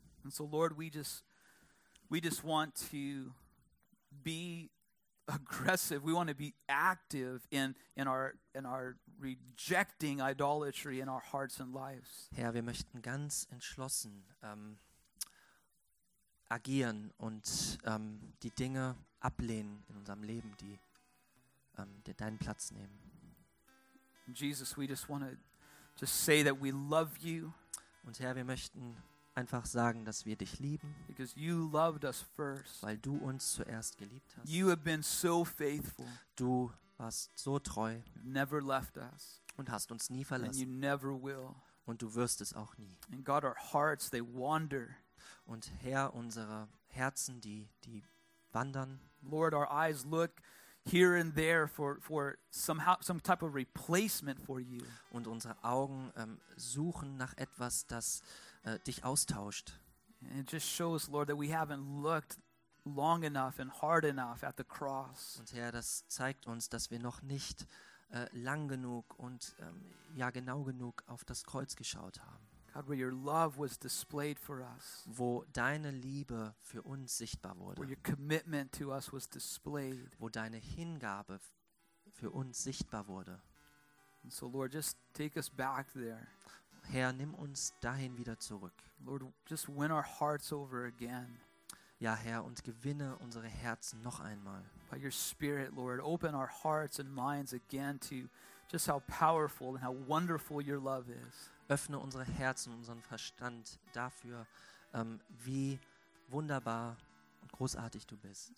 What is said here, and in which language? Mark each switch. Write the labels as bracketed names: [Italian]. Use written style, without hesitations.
[English] And so Lord, we just want to be aggressive. We want to be active in our rejecting idolatry in our hearts and lives. [German] Herr, wir möchten ganz entschlossen agieren und die Dinge ablehnen in unserem Leben, die deinen Platz nehmen. [English] Jesus, we just want to just say that we love you. [German] Und Herr, wir möchten einfach sagen, dass wir dich lieben. [English] Because you loved us first. [German] Weil du uns zuerst geliebt hast. [English] You have been so faithful. [German] Du warst so treu. [English] Never left us. [German] Und hast uns nie verlassen. [English] And you never will. [German] Und du wirst es auch nie. [English] And God, our hearts, they wander. [German] Und Herr, unsere Herzen, die wandern. [English] Lord, our eyes look here and there for somehow some type of replacement for you. [German] Und unsere Augen suchen nach etwas, das dich austauscht. [English] It just shows, Lord, that we haven't looked long enough and hard enough at the cross. [German] Und Herr, das zeigt uns, dass wir noch nicht lang genug und ja genau genug auf das Kreuz geschaut haben. [English] God, where your love was displayed for us. [German] Wo deine Liebe für uns sichtbar wurde. [English] Where your commitment to us was displayed. [German] Wo deine Hingabe für uns sichtbar wurde. [English] And so, Lord, just take us back there. [German] Herr, nimm uns dahin wieder zurück. [English] Lord, just win our hearts over again. [German] Ja, Herr, und gewinne unsere Herzen noch einmal. [English] By your Spirit, Lord, open our hearts and minds again to just how powerful and how wonderful your love is. [German] Öffne unsere Herzen, unseren Verstand dafür, wie wunderbar und großartig du bist.